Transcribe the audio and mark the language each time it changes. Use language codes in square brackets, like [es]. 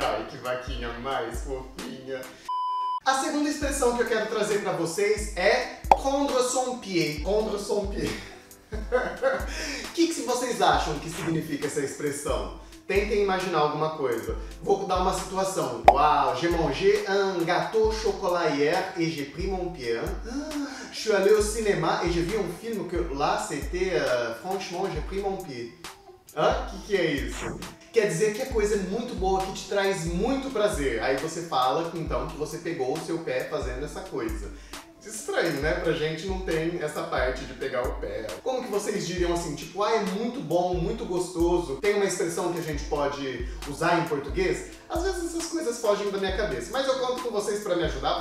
[pt] Ai, que vaquinha mais fofinha. A segunda expressão que eu quero trazer pra vocês é prendre son pied. Prendre son pied. O que vocês acham que significa essa expressão? Tentem imaginar alguma coisa. Vou dar uma situação. [fr] Uau, j'ai mangé un gâteau chocolat hier et j'ai pris mon pied. Je suis allé au cinéma et j'ai vu un film que là c'était franchement j'ai pris mon pied. [pt] Hã? Que é isso? Quer dizer que é coisa muito boa, que te traz muito prazer. Aí você fala, então, que você pegou o seu pé fazendo essa coisa. Estranho, né? Pra gente não tem essa parte de pegar o pé. Como que vocês diriam assim, tipo, ah, é muito bom, muito gostoso? Tem uma expressão que a gente pode usar em português? Às vezes essas coisas fogem da minha cabeça, mas eu conto com vocês pra me ajudar.